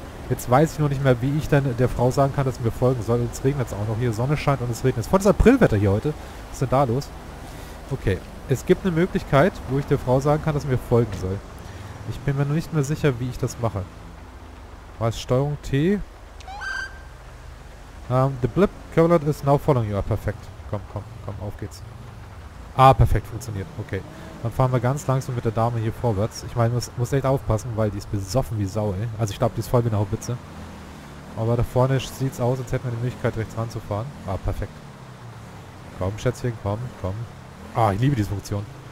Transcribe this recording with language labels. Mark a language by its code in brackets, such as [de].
[de] Jetzt weiß ich noch nicht mehr, wie ich denn der Frau sagen kann, dass sie mir folgen soll. Jetzt regnet es auch noch. Hier, Sonne scheint und es regnet. Voll das Aprilwetter hier heute. Was ist denn da los? Okay. Es gibt eine Möglichkeit, wo ich der Frau sagen kann, dass sie mir folgen soll. Ich bin mir noch nicht mehr sicher, wie ich das mache. Was? Steuerung T? [en] The blip cavalier is now following you. [de] Ah, perfekt. Komm, komm, komm. Auf geht's. Ah, perfekt. Funktioniert. Okay. Dann fahren wir ganz langsam mit der Dame hier vorwärts. Ich meine, muss echt aufpassen, weil die ist besoffen wie Sau, ey. Also ich glaube, die ist voll wie eine Haubitze. Aber da vorne sieht es aus, als hätten wir die Möglichkeit, rechts ranzufahren. Ah, perfekt. Komm, Schätzchen, komm, komm. Ah, ich liebe diese Funktion.